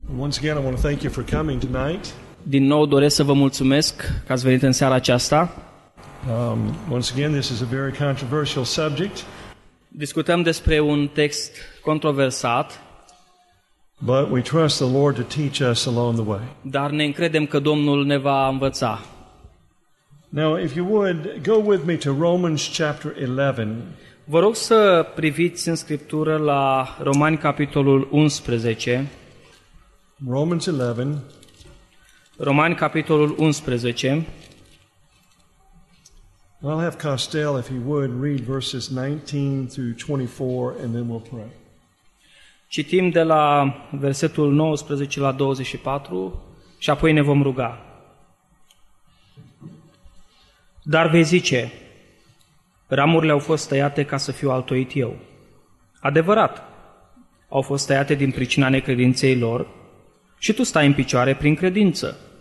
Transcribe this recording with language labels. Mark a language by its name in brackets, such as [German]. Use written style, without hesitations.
[English] Once again, I want to thank you for coming tonight. [Romanian] Din nou doresc să vă mulțumesc că ați venit în seara aceasta. [English] Once again, this is a very controversial subject. [Romanian] Discutăm despre un text controversat. [English] But we trust the Lord to teach us along the way. [Romanian] Dar ne încredem că Domnul ne va învăța. [English] Now, if you would, go with me to Romans chapter 11. [Romanian] Vă rog să priviți în Scriptură la Romani capitolul 11. [English] Romans 11. [Romanian] Romani capitolul 11. [English] I'll have Costel, if he would, read verses 19 through 24, and then we'll pray. [Romanian] Citim de la versetul 19 la 24 și apoi ne vom ruga. Dar vei zice, ramurile au fost tăiate ca să fiu altoit eu. Adevărat, au fost tăiate din pricina necredinței lor și tu stai în picioare prin credință.